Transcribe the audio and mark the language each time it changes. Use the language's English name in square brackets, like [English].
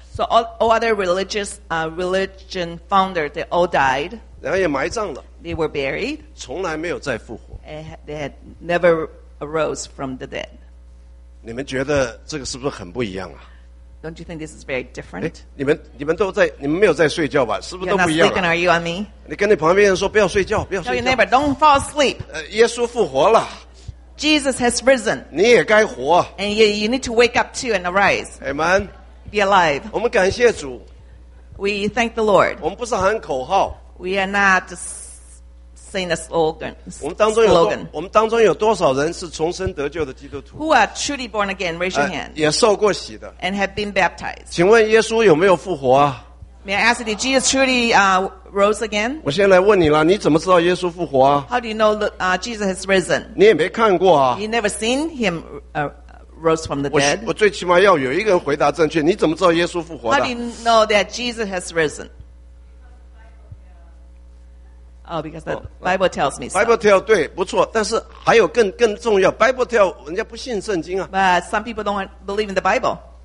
[English] So all other religious religion founders, they all died. [Chinese] 然后也埋葬了。 [English] They were buried. [Chinese] 从来没有再复活。 [English] And they had never arose from the dead. [Chinese] 你们觉得这个是不是很不一样啊？ [English] Don't you think this is very different? [Chinese] 你们都在，你们没有在睡觉吧？是不是都不一样了？ [English] You're not sleeping, are you on me? [Chinese] 你跟你旁边人说不要睡觉，不要睡觉。 [English] Tell your neighbor, don't fall asleep. [Chinese] 耶稣复活了。 [English] Jesus has risen. [Chinese] 你也该活。 [English] And you need to wake up too and arise. Amen. Be alive. [Chinese] 我们感谢主。 [English] We thank the Lord. [Chinese] 我们不是喊口号。 [English] We are not saying a slogan. [Chinese] 我们当中有多少人是重生得救的基督徒 [English] ？Who are truly born again? Raise your hand. [Chinese] 也受过洗的。 [English] And have been baptized. [Chinese] 请问耶稣有没有复活啊 [English] ？May I ask, did Jesus truly rose again? [Chinese] 我先来问你了，你怎么知道耶稣复活啊 [English] ？How do you know that Jesus has risen? [Chinese] 你也没看过啊 [English] ？You never seen him. Rose from the dead. [Chinese] 我最起码要有一个人回答正确。你怎么知道耶稣复活的 [English] ？How do you know that Jesus has risen? Oh, because the Bible tells me. So. Bible tell [Chinese] 对，不错。但是还有更重要。 [English] Bible tell [Chinese] 人家不信圣经啊。 [English] But some people don't believe in the Bible.